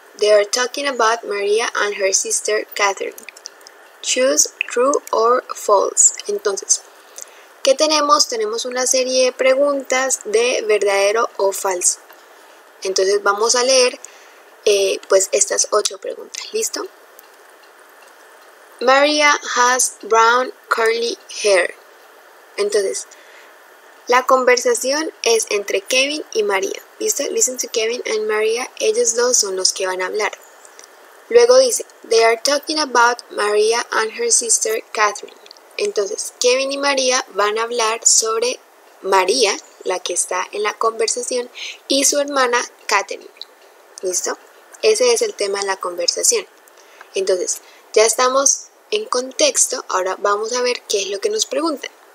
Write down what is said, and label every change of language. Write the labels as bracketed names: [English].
[English] They are talking about Maria and her sister Catherine. Choose true or false. [Spanish] Entonces, ¿qué tenemos? Tenemos una serie de preguntas de verdadero o falso. Entonces, vamos a leer pues estas 8 preguntas, ¿listo? [English] Maria has brown curly hair. [Spanish] Entonces, la conversación es entre Kevin y Maria, ¿listo? [English] Listen to Kevin and Maria, [Spanish] ellos dos son los que van a hablar. Luego dice, [English] they are talking about Maria and her sister Catherine. [Spanish] Entonces, Kevin y Maria van a hablar sobre Maria, la que está en la conversación, y su hermana Catherine, ¿listo? Ese es el tema de la conversación. Entonces, ya estamos en contexto. Ahora vamos a ver qué es lo que nos preguntan.